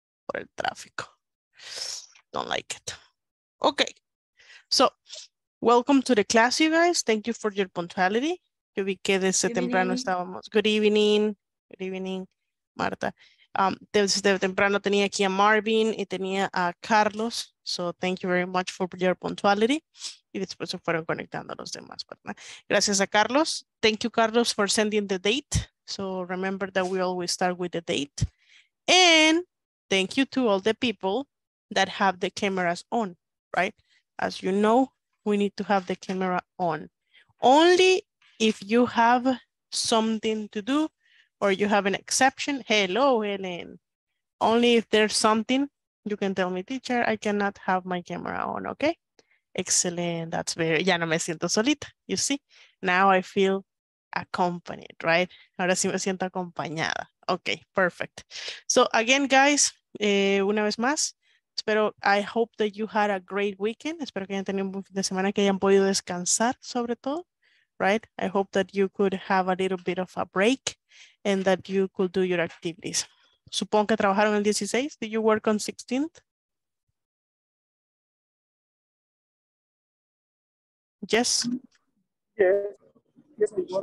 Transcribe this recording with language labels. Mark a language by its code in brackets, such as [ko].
[es] Por el tráfico. [en] Don't like it. Okay. So, welcome to the class, you guys. Thank you for your punctuality. [es] Yo vi que desde temprano estábamos. [en] Good evening. Good evening, [es] Marta. Desde temprano tenía aquí a Marvin y tenía a Carlos. [en] So, thank you very much for your punctuality. [es] Y después se fueron conectando los demás, ¿verdad? Gracias a Carlos. [en] Thank you, Carlos, for sending the date. So, remember that we always start with the date. And thank you to all the people that have the cameras on, right? As you know, we need to have the camera on. Only if you have something to do or you have an exception. Hello, Helen. Only if there's something, you can tell me, teacher, I cannot have my camera on, okay? Excellent, that's very, [es] ya no me siento solita, [en] you see? Now I feel accompanied, right? [es] Ahora sí me siento acompañada. [en] Okay, perfect. So again, guys, [es] una vez más, espero, [en] I hope that you had a great weekend. [es] Espero que hayan tenido un buen fin de semana, que hayan podido descansar sobre todo, right? [en] I hope that you could have a little bit of a break and that you could do your activities. [es] Supongo que trabajaron el 16. [en] Did you work on 16th? Yes? Yes.